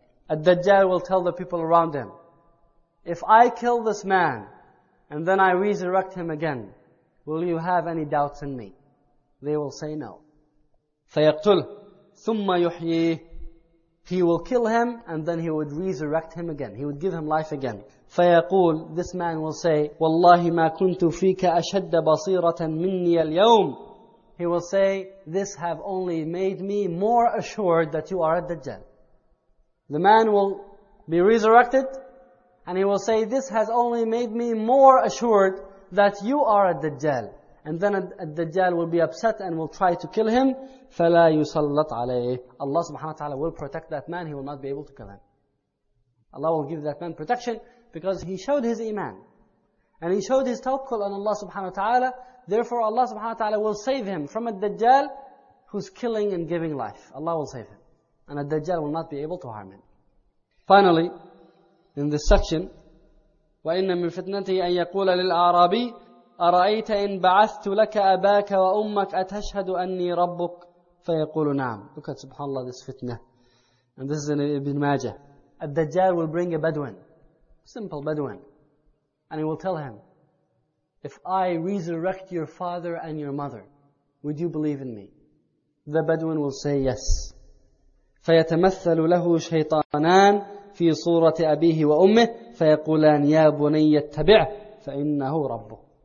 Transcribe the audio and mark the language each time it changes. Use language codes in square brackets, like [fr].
[en] A Dajjal will tell the people around him, if I kill this man and then I resurrect him again, will you have any doubts in me? They will say no. [ar] فَيَقْتُلْ ثُمَّ يُحْيِيهِ. [en] He will kill him and then he would resurrect him again. He would give him life again. [ar] فَيَقُولْ. [en] This man will say, [ar] وَاللَّهِ مَا كُنْتُ فِيكَ أَشَدَّ بَصِيرَةً مِنِّيَ الْيَوْمِ. [en] He will say, this have only made me more assured that you are a Dajjal. The man will be resurrected. And he will say, this has only made me more assured that you are a Dajjal. And then a Dajjal will be upset and will try to kill him. [ar] فَلَا يُسَلَّطْ عَلَيْهِ. [en] Allah subhanahu wa ta'ala will protect that man. He will not be able to kill him. Allah will give that man protection because he showed his iman. And he showed his tawakkul on Allah subhanahu wa ta'ala. Therefore Allah subhanahu wa ta'ala will save him from a Dajjal who's killing and giving life. Allah will save him. And a Dajjal will not be able to harm him. Finally, in this section, [ar] وَإِنَّ مِنْ فِتْنَتِهِ أَنْ يَقُولَ لِلْأَعْرَابِي أَرَأَيْتَ إِنْ بَعَثْتُ لَكَ أَبَاكَ وَأُمَّكَ أَتَشْهَدُ أَنِّي رَبُّكَ فَيَقُولُ نَعْمُ. [en] Look at subhanAllah this fitna. And this is in Ibn Majah. A Dajjal will bring a Bedouin, simple Bedouin, and he will tell him, if I resurrect your father and your mother, Would you believe in me? The Bedouin will say yes. [ar] فَيَتَمَثَّلُ لَهُ شَيْطَانًا فِي صُورَةِ أَبِيهِ وَأُمِّهِ فَيَقُولَانْ يَا بُنَيَّ اتَّبِعْ فَإِنَّهُ رَبُّهُ.